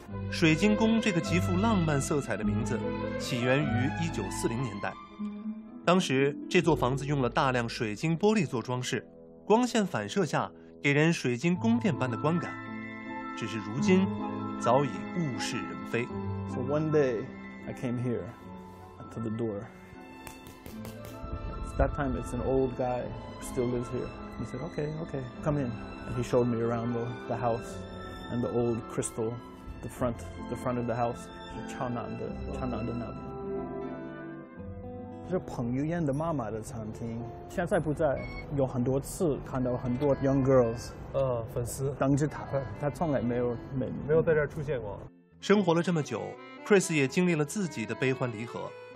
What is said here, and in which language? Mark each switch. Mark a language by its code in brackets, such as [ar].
[zh] 水晶宫这个极富浪漫色彩的名字起源于1940年代，当时这座房子用了大量水晶玻璃做装饰，光线反射下给人水晶宫殿般的观感，只是如今早已物是人非。 [en] So one day, I came here to the door. that time it's an old guy still lives here. He said, okay, come in. And he showed me around the house and the old crystal, the front of the house. [zh] 是长南的，长南的那边。是彭于晏的妈妈的餐厅，现在不在。有很多次看到很多 [en] young girls， [zh] 粉丝等着他，他从来没有在这出现过。生活了这么久 ，Chris 也经历了自己的悲欢离合。